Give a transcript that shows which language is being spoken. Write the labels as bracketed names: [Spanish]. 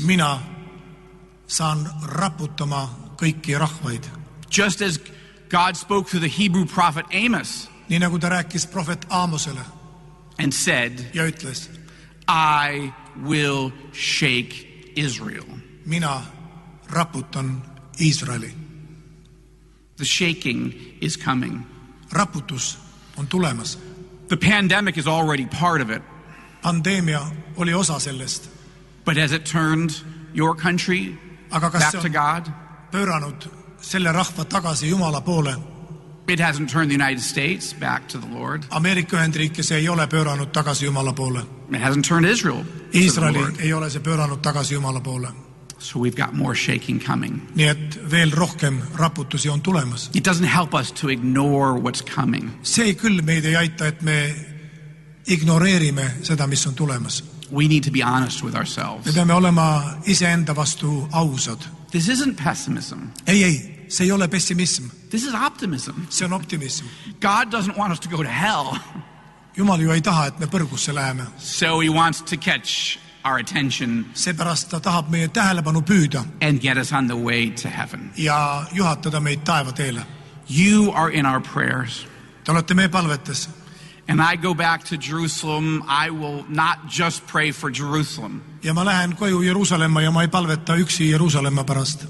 [Estonian] Mina saan raputama kõiki rahvaid. [English] Just as God spoke to the Hebrew prophet Amos. [Estonian] Nii nagu ta rääkis prohvet Amosele. [English] And said, [Estonian] ja ütles, [English] I will shake Israel. [Estonian] Mina raputan Israeli. [English] The shaking is coming. [Estonian] Raputus on tulemas. [English] The pandemic is already part of it. [Estonian] Pandemia oli osa sellest. [English] But has it turned your country [Estonian] Aga [English] back to God? [Estonian] Pööranud selle rahva tagasi Jumala poole. [English] It hasn't turned the United States back to the Lord. [Estonian] Ameerika Ühendriikes ei ole pööranud tagasi Jumala poole. [English] It hasn't turned Israel. [Estonian] Israeli ei ole see pööranud tagasi Jumala poole. [English] So we've got more shaking coming. [Estonian] Nii et veel rohkem raputusi on tulemas. [English] It doesn't help us to ignore what's coming. [Estonian] See küll meid ei aita, et me ignoreerime seda, mis on tulemas. [English] We need to be honest with ourselves. [Estonian] Me peame olema ise enda vastu ausad. [English] This isn't pessimism. [Estonian] Ei, see ei ole pessimism. [English] This is optimism. [Estonian] See on optimism. [English] God doesn't want us to go to hell. [Estonian] Jumal ju ei taha, et me põrgusse läheme. [English] So he wants to catch our attention. [Estonian] Seepärast ta tahab meie tähelepanu püüda. [English] And get us on the way to heaven. [Estonian] Ja juhatada meid taeva teele. [English] You are in our prayers. [Estonian] Te olete meie palvetes. [English] And I go back to Jerusalem, I will not just pray for Jerusalem. [Estonian] Ja ma lähen koju Jerusalemma ja ma ei palveta üksi Jerusalemma pärast.